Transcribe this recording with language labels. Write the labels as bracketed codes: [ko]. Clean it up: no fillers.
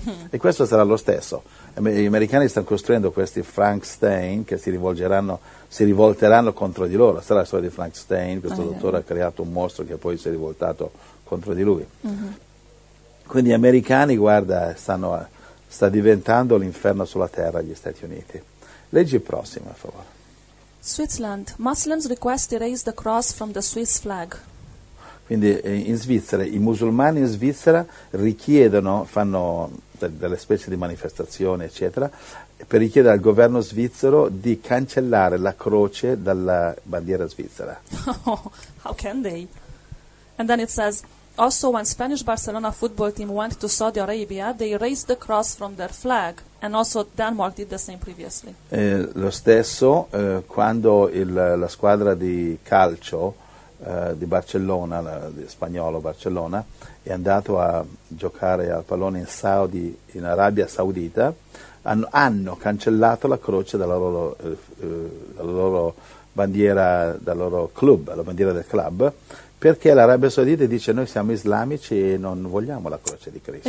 [it] E questo sarà lo stesso. Gli americani stanno costruendo questi Frankenstein che si rivolteranno contro di loro. Sarà la storia di Frankenstein, questo dottore ha creato un mostro che poi si è rivoltato contro di lui. Quindi gli americani, guarda, sta diventando l'inferno sulla terra gli Stati Uniti. Leggi il prossimo, per favore. [en] Switzerland. Muslims request to raise the cross from the Swiss flag. [it] Quindi in Svizzera, i musulmani in Svizzera richiedono, fanno delle specie di manifestazioni, eccetera, per richiedere al governo svizzero di cancellare la croce dalla bandiera svizzera. [en] Oh, how can they? And then it says, also when Spanish Barcelona football team went to Saudi Arabia, they raised the cross from their flag, and also Denmark did the same previously. [it] Lo stesso quando la squadra di calcio di Barcellona, di spagnolo Barcellona, è andato a giocare al pallone in Arabia Saudita, hanno cancellato la croce dalla loro bandiera del club, perché l'Arabia Saudita dice: noi siamo islamici e non vogliamo la croce di Cristo.